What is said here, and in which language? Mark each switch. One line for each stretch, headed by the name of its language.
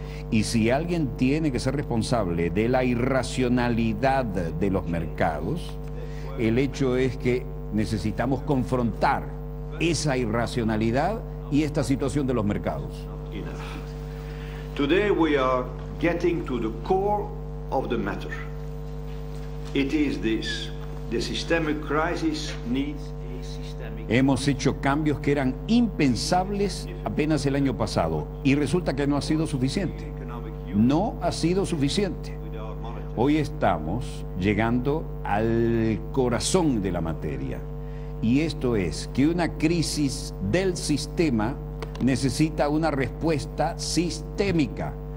Spanish: Y si alguien tiene que ser responsable de la irracionalidad de los mercados, el hecho es que necesitamos confrontar esa irracionalidad y esta situación de los mercados.
English: Today we are getting to the core of the matter. It is this: the systemic crisis needs
Spanish: Hemos hecho cambios que eran impensables apenas el año pasado y resulta que no ha sido suficiente. No ha sido suficiente. Hoy estamos llegando al corazón de la materia. Y esto es que una crisis del sistema necesita una respuesta sistémica.